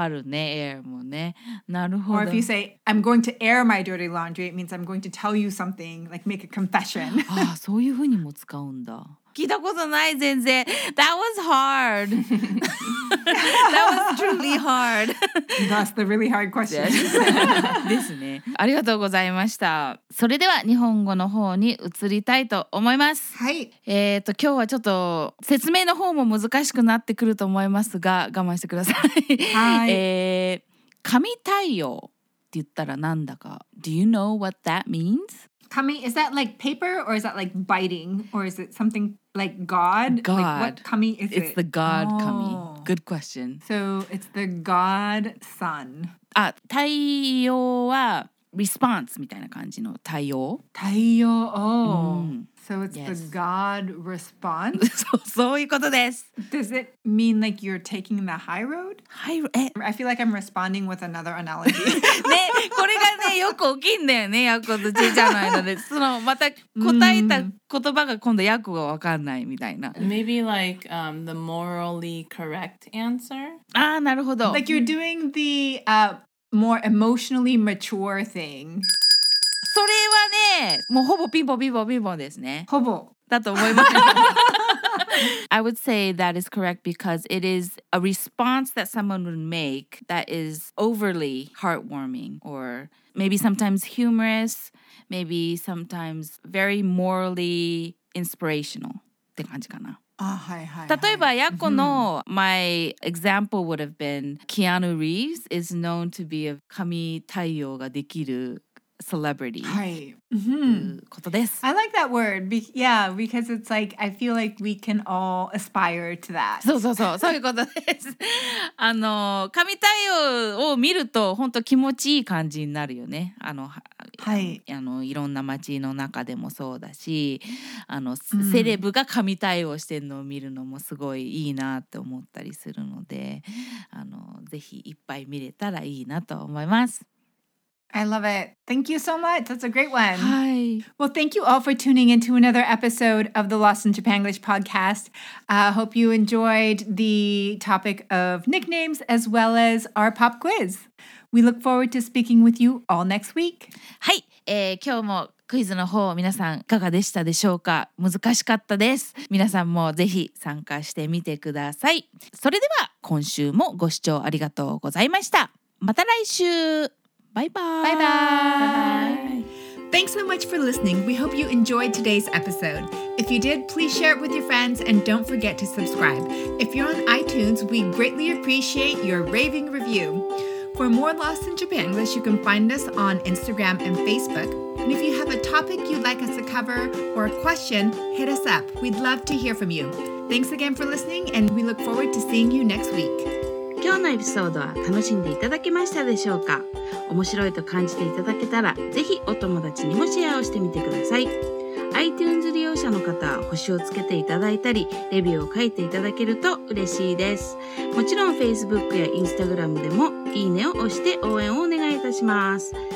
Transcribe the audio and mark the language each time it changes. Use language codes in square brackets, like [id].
[ja] はいはい。ああ、そういうことなら分かるね。airもね。なるほど. [en] Or if you say, I'm going to air my dirty laundry, it means I'm going to tell you something, like make a confession. [ja] ああ、そういうふうにも使うんだ。聞いたことない全然. That was hard. That was truly hard. [en] That's the really hard question. [ja] ですね。ありがとうございました。それでは日本語の方に移りたいと思います。はい。今日はちょっと説明の方も難しくなってくると思いますが、我慢してください。はい。紙対応って言ったら何だか。 [en] Do you know what that means? Kami, is that like paper or is that like biting or is it something like God? God. Like what kami is it's it? It's the God kami. Good question. So it's the God sun. [ja] Ah, 太陽は response みたいな感じの [en] 太陽。太陽。Oh. So it's the God response? [ja] そういうことです。 [en] Does it mean like you're taking the high road? I feel like I'm responding with another analogy. [ja] ね、これがね、よく起きんだよね、ヤコとジェジャの間で。その、また答えた言葉が今度ヤコがわかんないみたいな。 [en] Maybe like the morally correct answer? [ja] あー、なるほど。 [en] Like you're doing the more emotionally mature thing. [ja] それはね、もうほぼピンポピンポピンポですね。ほぼ。だと思います。 [en] I would say that is correct because it is a response that someone would make that is overly heartwarming or maybe sometimes humorous, maybe sometimes very morally inspirational. [ja] って感じかな。はいはいはい、例えばヤコの、mm-hmm. [en] my example would have been Keanu Reeves is known to be a 神対応ができる celebrity、 [ja] はい、ことです。 [en] I like that word. Yeah, because it's like I feel like we can all aspire to that. [ja] そうそうそう、そういうことです。あの神対応を見ると本当気持ちいい感じになるよね。あのはい、あのいろんな街の中でもそうだし、あの、うん、セレブが神対応してるのを見るのもすごいいいなって思ったりするので、あのぜひいっぱい見れたらいいなと思います。 [en] I love it. Thank you so much. That's a great one. [ja] はい。 [en] Well, thank you all for tuning into another episode of the Lost in Japan English podcast. Hope you enjoyed the topic of nicknames as well as our pop quiz. We look forward to speaking with you all next week. [ja] はい、今日もクイズの方皆さんいかがでしたでしょうか。難しかったです。皆さんもぜひ参加してみてください。それでは今週もご視聴ありがとうございました。また来週。バイバイ。 [en] バイバイ。 Thanks so much for listening. We hope you enjoyed today's episode. If you did, please share it with your friends and don't forget to subscribe. If you're on iTunes, we greatly appreciate your raving review. For more Lost in Japanglish, you can find us on Instagram and Facebook. And if you have a topic you'd like us to cover or a question, hit us up. We'd love to hear from you. Thanks again for listening, and we look forward to seeing you next week. [ja] 今日のエピソードは楽しんでいただけましたでしょうか。面白いと感じていただけたら、ぜひお友達にもシェアをしてみてください。 iTunes 利用者の方は星をつけていただいたり、レビューを書いていただけると嬉しいです。もちろん Facebook や Instagram でもいいねを押して応援をお願いいたします。